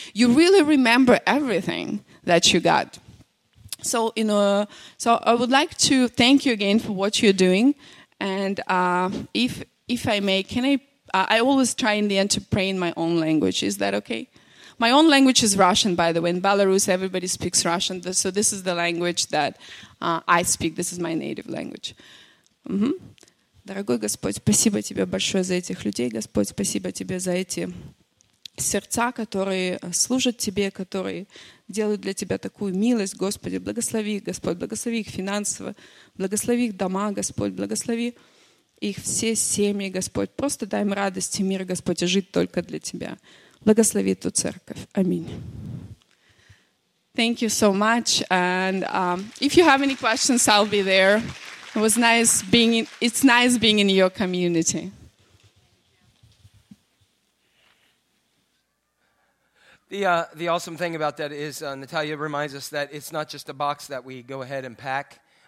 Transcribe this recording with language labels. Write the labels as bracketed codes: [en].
[en] You really remember everything that you got. So, you know, so I would like to thank you again for what you're doing. And if I may, can I? I always try in the end to pray in my own language. Is that okay? My own language is Russian, by the way. In Belarus, everybody speaks Russian. So this is the language that I speak. This is my native language. Mm-hmm. [ru] Дорогой Господь, спасибо Тебе большое за этих людей. Господь, спасибо Тебе за эти сердца, которые служат Тебе, которые делают для Тебя такую милость. Господи, благослови их, Господь, благослови их финансово, благослови их дома, Господь, благослови их все семьи, Господь. Просто дай им радость и мир, Господь, и жить только для Тебя. Благослови эту церковь. [en] Аминь. Thank you so much. And if you have any questions, I'll be there. It was nice being in, it's nice being in your community. The awesome thing about that is Natalia reminds us that it's not just a box that we go ahead and pack.